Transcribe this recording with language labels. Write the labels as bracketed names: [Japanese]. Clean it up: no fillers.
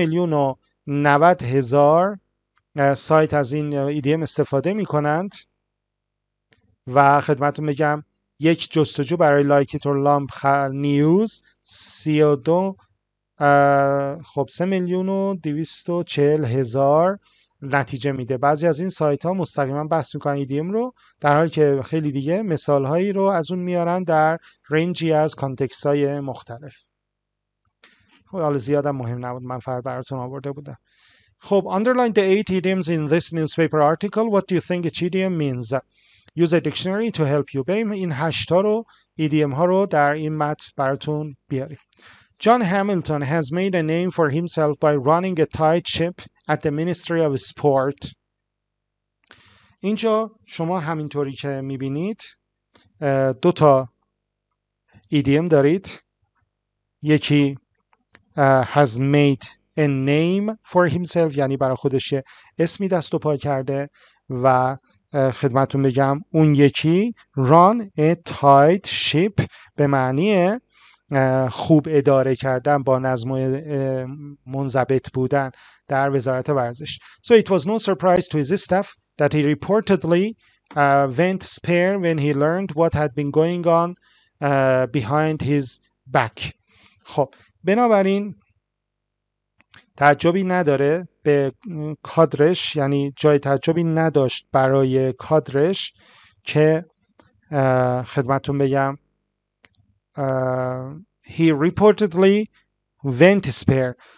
[Persian] 2,090,000 سایت از این ایدیم استفاده میکنند و خدمتتون بگم یک جستجو برای لایک ایت اور لامپ نیوز 32 خب 3,240,000 نتیجه میده. بعضی از این سایت ها مستقیما بحث میکنن ایدیم رو، در حالی که خیلی دیگه مثال هایی رو از اون میارن در رنجی از کانتکست های مختلف. خب حالا زیادم مهم نبود، من فقط براتون آورده بودم. [English] خب underline the 8 idioms in this newspaper article. What do you think each idiom means? Use a dictionary to help you. [Persian] بریم این هشتا رو، ایدیم ها رو در این متن براتون بیاریم. [English] John Hamilton has made a name for himself by running a tight ship at the Ministry of Sport. [Persian] اینجا شما همینطوری که میبینید دوتا ایدیم دارید. یکی [English] has made a name for himself، [Persian] یعنی برای خودش اسمی دست و پا کرده، و خدمتون بگم اون یکی [English] run a tight ship [Persian] به معنی خوب اداره کردن، با نظم و منضبط بودن در وزارت ورزش. [English] So it was no surprise to his staff that he reportedly went spare when he learned what had been going on behind his back. [Persian] خب بنابراین تعجبی نداره به کادرش، یعنی جای تعجبی نداشت برای کادرش که خدمتون بگم [English] he reportedly went spare.